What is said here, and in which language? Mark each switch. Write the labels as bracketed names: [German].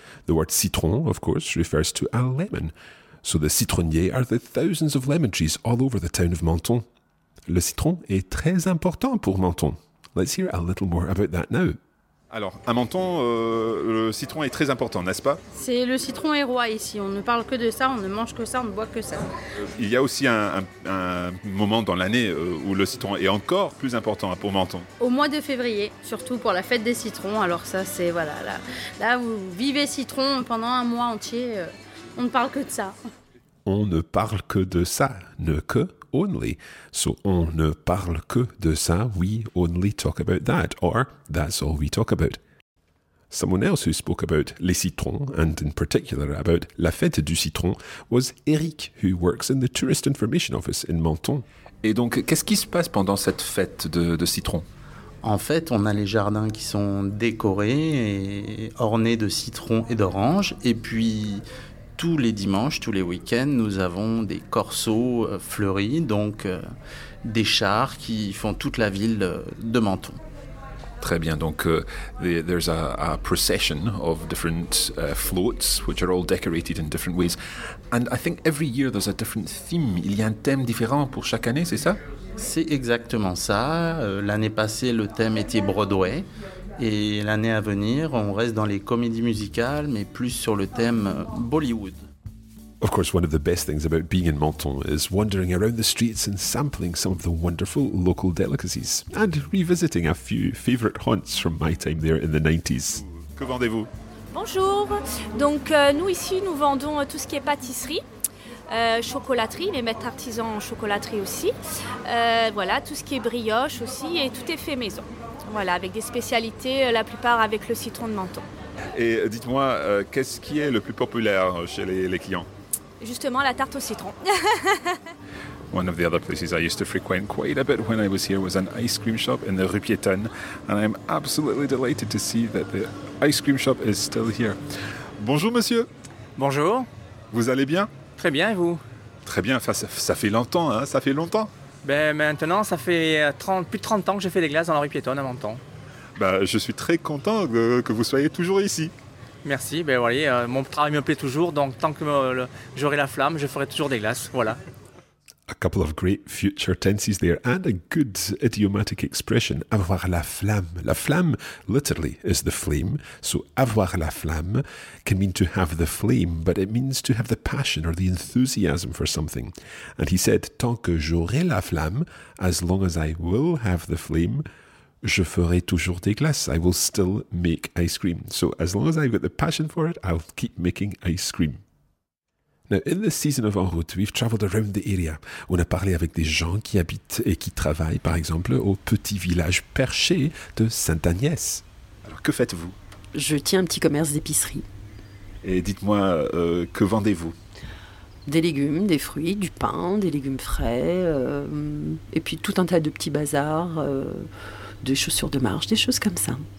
[English] The word citron, of course, refers to a lemon. So the citronniers are the thousands of lemon trees all over the town of Menton. [French] Le citron est très important pour Menton. [English] Let's hear a little more about that now. [French] Alors, à Menton, le citron est très important, n'est-ce pas? C'est le citron est roi ici. On ne parle que de ça, on ne mange que ça, on ne boit que ça. Il y a aussi un moment dans l'année où le citron est encore plus important pour Menton. Au mois de février, surtout pour la fête des citrons. Alors ça, c'est voilà, là vous vivez citron pendant un mois entier. On ne parle que de ça. On ne parle que de ça, ne que only. [English] So [French] on ne parle que de ça, [English] we only talk about that, or that's all we talk about. Someone else who spoke about les citrons, and in particular about la fête du citron, was Eric, who works in the Tourist Information Office in Menton. [French] Et donc, qu'est-ce qui se passe pendant cette fête de citron? En fait, on a les jardins qui sont décorés et ornés de citrons et d'oranges, et puis tous les dimanches, tous les week-ends, nous avons des corsos fleuris, donc des chars qui font toute la ville de Menton. Très bien, donc [English] there's a procession of different floats, which are all decorated in different ways. And I think every year there's a different theme, [French] il y a un thème différent pour chaque année, c'est ça? C'est exactement ça. L'année passée, le thème était Broadway. Et l'année à venir, on reste dans les comédies musicales, mais plus sur le thème Bollywood. [English] Of course, one of the best things about being in Menton is wandering around the streets and sampling some of the wonderful local delicacies and revisiting a few favorite haunts from my time there in the 90s. [French] Que vendez-vous? Bonjour. Donc nous ici, nous vendons tout ce qui est pâtisserie. Chocolaterie, les maîtres artisans en chocolaterie aussi. Voilà, tout ce qui est brioche aussi, et tout est fait maison. Voilà, avec des spécialités, la plupart avec le citron de Menton. Et dites-moi, qu'est-ce qui est le plus populaire chez les clients? Justement, la tarte au citron. [English] One of the other places I used to frequent quite a bit when I was here was an ice cream shop in the Rue Piétonne, and I'm absolutely delighted to see that the ice cream shop is still here. [French] Bonjour, monsieur. Bonjour. Vous allez bien? Très bien, et vous? Très bien, enfin, ça fait longtemps, hein, ça fait longtemps. Ben maintenant, ça fait plus de 30 ans que j'ai fait des glaces dans la rue piétonne à Menton. Ben, je suis très content que vous soyez toujours ici. Merci, ben voyez, mon travail me plaît toujours, donc tant que j'aurai la flamme, je ferai toujours des glaces, voilà. [English] a couple of great future tenses there and a good idiomatic expression, avoir la flamme. La flamme literally is the flame, so avoir la flamme can mean to have the flame, but it means to have the passion or the enthusiasm for something. And he said, [French] tant que j'aurai la flamme, [English] as long as I will have the flame, [French] je ferai toujours des glaces. [English] I will still make ice cream. So as long as I've got the passion for it, I'll keep making ice cream. Now, in this season of En Route, we've travelled around the area. [French] On a parlé avec des gens qui habitent et qui travaillent, par exemple, au petit village perché de Sainte-Agnès. Alors, que faites-vous? Je tiens un petit commerce d'épicerie. Et dites-moi, que vendez-vous? Des légumes, des fruits, du pain, des légumes frais, et puis tout un tas de petits bazars, des chaussures de marche, des choses comme ça.